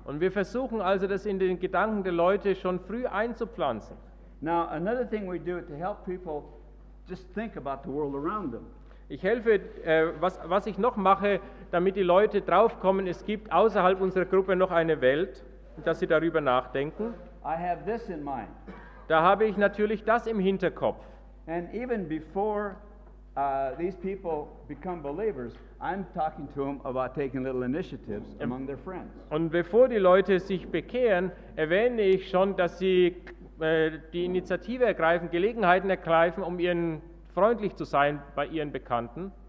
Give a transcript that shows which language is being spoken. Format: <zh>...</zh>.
<de>Und wir versuchen also, das in den Gedanken der Leute schon früh einzupflanzen.</de> <en>Now another thing we do to help people just think about the world around them.</en> <de>Ich helfe, was ich noch mache, damit die Leute draufkommen, es gibt außerhalb unserer Gruppe noch eine Welt, dass sie darüber nachdenken.</de> <en>I have this in mind.</en> <de>Da habe ich natürlich das im Hinterkopf.</de> <en>And even before these people become believers, I'm talking to them about taking little initiatives among their friends.</en> <de>Und bevor die Leute sich bekehren, erwähne ich schon, dass sie die Initiative ergreifen, Gelegenheiten ergreifen, um ihren freundlich zu sein bei ihren Bekannten.</de>